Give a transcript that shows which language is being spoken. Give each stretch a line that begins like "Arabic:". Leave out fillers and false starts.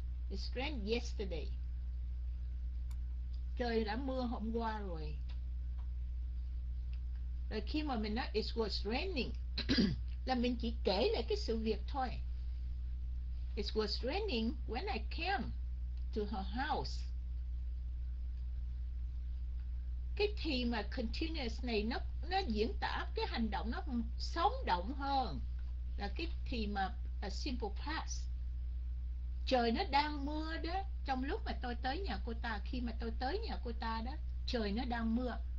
English: It's rained yesterday.
Vietnamese: Trời đã mưa hôm qua rồi. Rồi khi mà mình nói
English: it was raining
Vietnamese: là mình chỉ kể lại cái sự việc thôi.
English: It was raining when I came to her house.
Vietnamese: Cái thì mà continuous này nó diễn tả cái hành động nó sống động hơn là cái thì mà simple past. Trời nó đang mưa đó, trong lúc mà tôi tới nhà cô ta, khi mà tôi tới nhà cô ta đó, trời nó đang mưa.